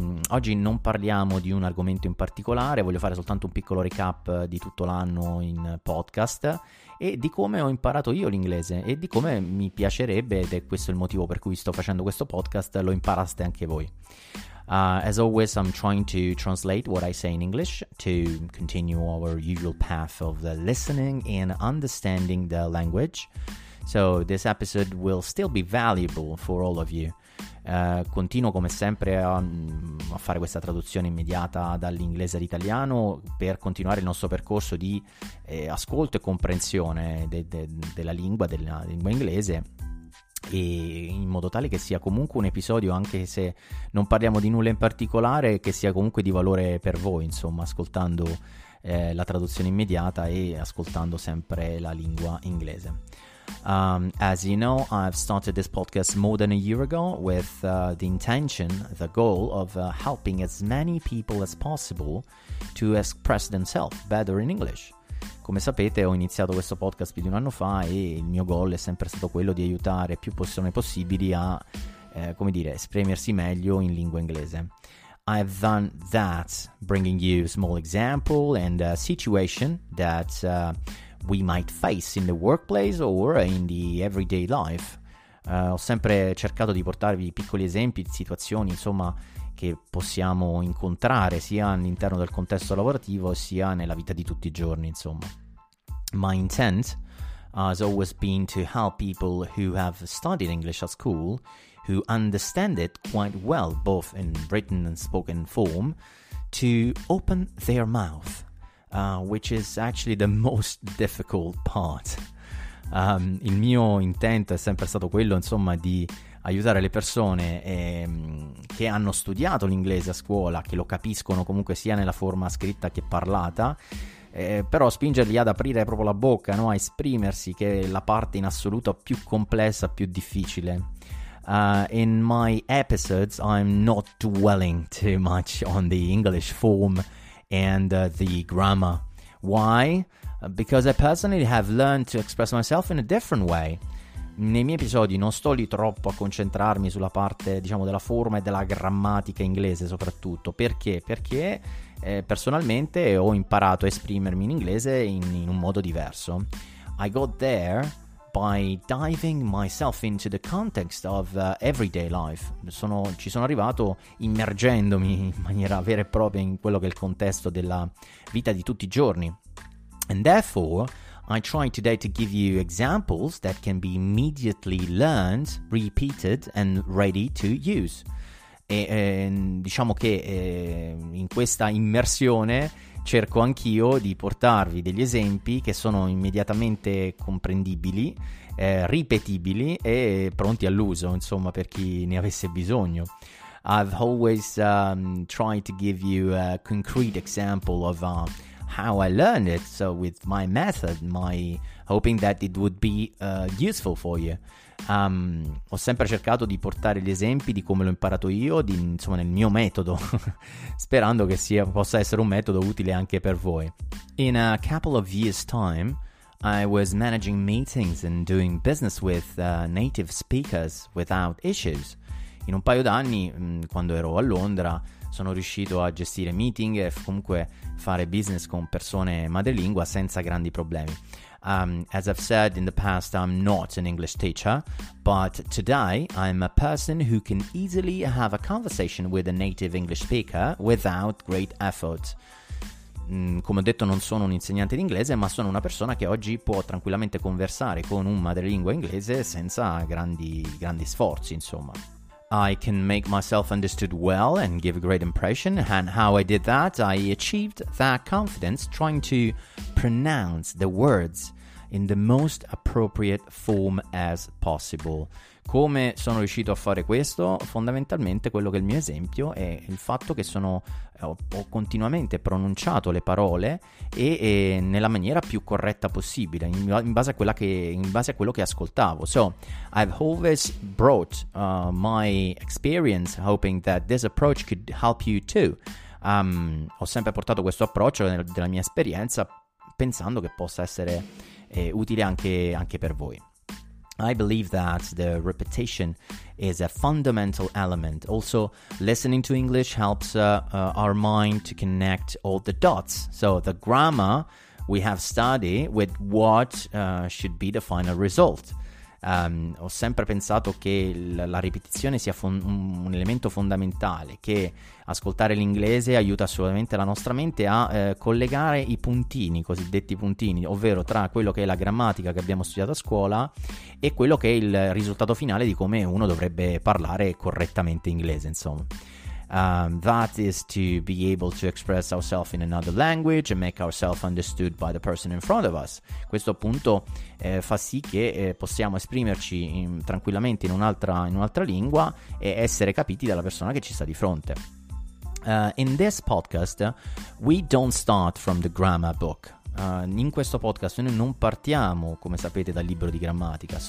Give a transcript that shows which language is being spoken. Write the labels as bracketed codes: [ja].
[it] Oggi non parliamo di un argomento in particolare, voglio fare soltanto un piccolo recap di tutto l'anno in podcast e di come ho imparato io l'inglese e di come mi piacerebbe, ed è questo il motivo per cui sto facendo questo podcast, lo imparaste anche voi. [en] As always, I'm trying to translate what I say in English to continue our usual path of the listening and understanding the language. So this episode will still be valuable for all of you. [it] Continuo come sempre a fare questa traduzione immediata dall'inglese all'italiano per continuare il nostro percorso di ascolto e comprensione della lingua inglese, e in modo tale che sia comunque un episodio, anche se non parliamo di nulla in particolare, che sia comunque di valore per voi, insomma, ascoltando la traduzione immediata e ascoltando sempre la lingua inglese. [en] As you know, I've started this podcast more than a year ago with the intention, the goal of helping as many people as possible to express themselves better in English. [it] Come sapete, ho iniziato questo podcast più di un anno fa e il mio goal è sempre stato quello di aiutare più persone possibili a, come dire, esprimersi meglio in lingua inglese. [en] I've done that, bringing you a small example and a situation that we might face in the workplace or in the everyday life. [it] Ho sempre cercato di portarvi piccoli esempi di situazioni, insomma, che possiamo incontrare sia all'interno del contesto lavorativo sia nella vita di tutti i giorni, insomma. [en] My intent has always been to help people who have studied English at school, who understand it quite well, both in written and spoken form, to open their mouth. Which is actually the most difficult part. [it] Il mio intento è sempre stato quello, insomma, di aiutare le persone che hanno studiato l'inglese a scuola, che lo capiscono comunque sia nella forma scritta che parlata, però spingerli ad aprire proprio la bocca, no? A esprimersi, che è la parte in assoluto più complessa, più difficile. [en] In my episodes I'm not dwelling too much on the English form and the grammar. Why? Because I personally have learned to express myself in a different way. [it] Nei miei episodi non sto lì troppo a concentrarmi sulla parte, diciamo, della forma e della grammatica inglese soprattutto. Perché? Perché personalmente ho imparato a esprimermi in inglese in un modo diverso. [en] I got there by diving myself into the context of everyday life. [it] Ci sono arrivato immergendomi in maniera vera e propria in quello che è il contesto della vita di tutti i giorni. [en] And therefore, I try today to give you examples that can be immediately learned, repeated, and ready to use. [it] Diciamo che in questa immersione cerco anch'io di portarvi degli esempi che sono immediatamente comprendibili, ripetibili e pronti all'uso, insomma, per chi ne avesse bisogno. [en] I've always tried to give you a concrete example of how I learned it, so with my method, my hoping that it would be useful for you. [it] Ho sempre cercato di portare gli esempi di come l'ho imparato io, di, insomma, nel mio metodo, sperando che sia, possa essere un metodo utile anche per voi. [en] In a couple of years' time, I was managing meetings and doing business with native speakers without issues. [it] In un paio d'anni, quando ero a Londra, sono riuscito a gestire meeting e comunque fare business con persone madrelingua senza grandi problemi. [en] As I've said in the past, I'm not an English teacher, but today I'm a person who can easily have a conversation with a native English speaker without great effort. [it] Come ho detto, non sono un insegnante di inglese, ma sono una persona che oggi può tranquillamente conversare con un madrelingua inglese senza grandi sforzi, insomma. [en] I can make myself understood well and give a great impression, and how I did that, I achieved that confidence trying to pronounce the words in the most appropriate form as possible. [it] Come sono riuscito a fare questo? Fondamentalmente quello che è il mio esempio è il fatto che ho continuamente pronunciato le parole e nella maniera più corretta possibile, in base a quello che ascoltavo. [en] So, I've always brought my experience hoping that this approach could help you too. [it] Ho sempre portato questo approccio della mia esperienza pensando che possa essere utile anche per voi. [en] I believe that the repetition is a fundamental element. Also, listening to English helps our mind to connect all the dots. So the grammar we have studied with what should be the final result. [it] Ho sempre pensato che la ripetizione sia un elemento fondamentale, che ascoltare l'inglese aiuta assolutamente la nostra mente a collegare i puntini, i cosiddetti puntini, ovvero tra quello che è la grammatica che abbiamo studiato a scuola e quello che è il risultato finale di come uno dovrebbe parlare correttamente inglese, insomma. [en] That is to be able to express ourselves in another language and make ourselves understood by the person in front of us. [it] Questo appunto fa sì che possiamo esprimerci tranquillamente in un'altra lingua e essere capiti dalla persona che ci sta di fronte. [en] In this podcast, we don't start from the grammar book. [it] In questo podcast noi non partiamo, come sapete, dal libro di grammatica.